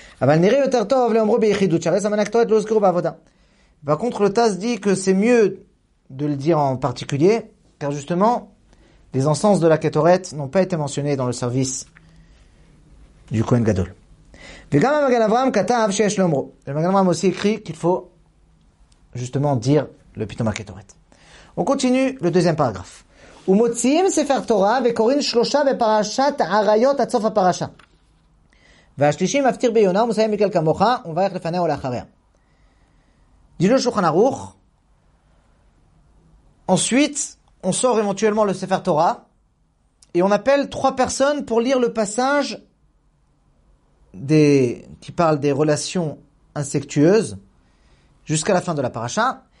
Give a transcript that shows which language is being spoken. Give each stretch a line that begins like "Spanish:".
French: Par contre, le Taz dit que c'est mieux de le dire en particulier, car justement, les encens de la Ketoret n'ont pas été mentionnés dans le service du Kohen Gadol. Le Magan Avraham aussi écrit qu'il faut justement dire le Pitoma Ketoret. On continue le deuxième paragraphe.
Hebrew: ומוציאים ספר תורה וקוראים שלושה בפרשת עריות עד סוף הפרשה. והשלישי מפטיר ביונה ומסיים מכל כמוך ומברך לפניה ולאחריה.
French: דיל שולחן ערוך. Ensuite, on sort éventuellement le Sefer Torah et on appelle trois personnes pour lire le passage qui parle des relations incestueuses jusqu'à la fin de la parasha.